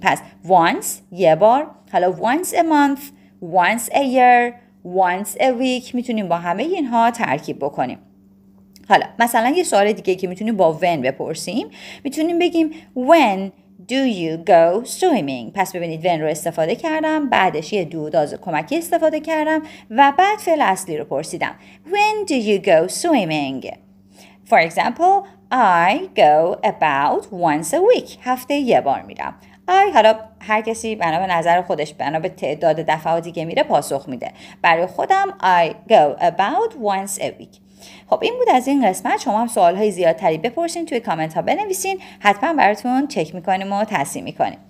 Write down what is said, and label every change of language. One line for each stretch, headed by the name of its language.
Persian: پس once یه بار، حالا once a month، once a year، once a week میتونیم با همه اینها ترکیب بکنیم. حالا مثلا یه سوال دیگه که میتونیم با when بپرسیم، میتونیم بگیم
English: when do you go swimming.
Persian: پس ببینید when رو استفاده کردم، بعدش یه دو داز کمکی استفاده کردم و بعد فعل اصلی رو پرسیدم.
English: When do you go swimming؟ For example، I go about once a week.
Persian: هفته یه بار میرم. I، حالا هر کسی بنا به نظر خودش، بنا به تعداد دفعاتی که میره پاسخ میده. برای خودم
English: I go about once a week.
Persian: خب این بود از این قسمت. شما هم سوال های زیادتری بپرسین، توی کامنت ها بنویسین، حتما براتون چک میکنیم و تصحیح میکنیم.